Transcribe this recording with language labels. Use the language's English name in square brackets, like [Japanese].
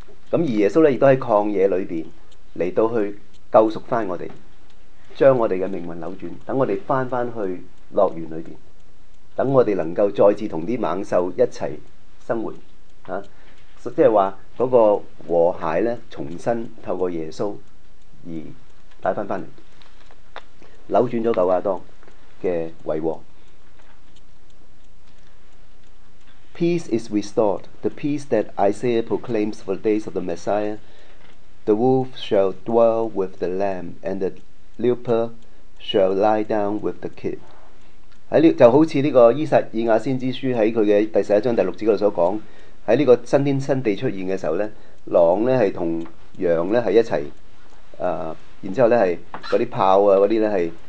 [Chinese] 而耶穌亦都在曠野裏面來到去救贖我們，將我們的命運扭轉，讓我們回去樂園裏面，讓我們能夠再次跟猛獸一起生活，即是說那個和諧呢重新透過耶穌而帶回來，扭轉了舊亞當的遺禍。 [English] Peace is restored, the peace that Isaiah proclaims for the days of the Messiah. The wolf shall dwell with the lamb, and the leopard shall lie down with the kid。 [Chinese] 就好像這個伊撒爾雅先知書在他的第十一章第六節所說，在這個新天新地出現的時候，狼是跟羊是一起，然後是那些炮那些是